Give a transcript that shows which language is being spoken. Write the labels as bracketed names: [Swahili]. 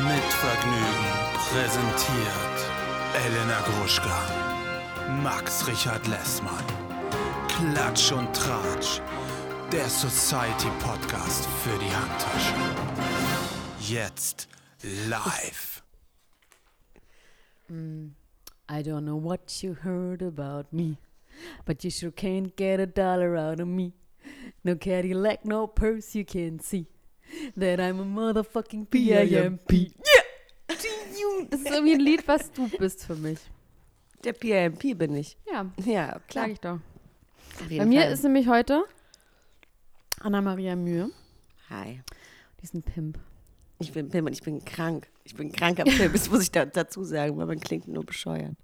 [German] Vergnügen präsentiert Elena Gruschka, Max Richard Lessmann, Klatsch und Tratsch, der Society Podcast für die Handtasche. Jetzt live. [English] I don't know what you heard about me, but you sure can't get a dollar out of me. No Cadillac, no purse, you can see that I'm a motherfucking P.I.M.P. Yeah! [German] Das ist irgendwie ein Lied, was du bist für mich. Der P.I.M.P. bin ich. Ja, ja, klar. Sag ich doch. Bei mir ist nämlich heute Anna-Maria Mühe. Hi. Die ist ein Pimp. Ich bin Pimp und ich bin krank. Ich bin ein kranker Pimp, das muss ich dazu sagen, weil man klingt nur bescheuert.